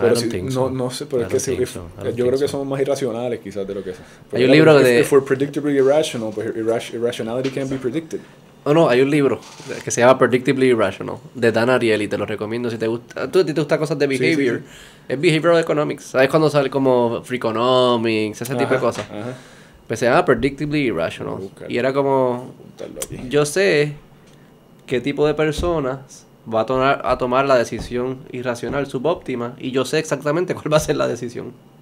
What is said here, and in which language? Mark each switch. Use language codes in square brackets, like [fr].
[es] No, pero yo creo que somos más irracionales quizás de lo que somos. Hay un libro de [en] if we're predictably irrational, but irrationality can't be predicted. [es] Oh, no, hay un libro que se llama Predictably Irrational, de Dan Ariely, te lo recomiendo si te gusta. ¿Tú a ti te gustan cosas de behavior? Sí, sí, sí. Es behavioral economics. ¿Sabes cuando sale como Freakonomics? Ese tipo de cosas. Ajá. Pues se llama Predictably Irrational. Y era como, yo sé qué tipo de personas va a tomar la decisión irracional subóptima, y yo sé exactamente cuál va a ser la decisión.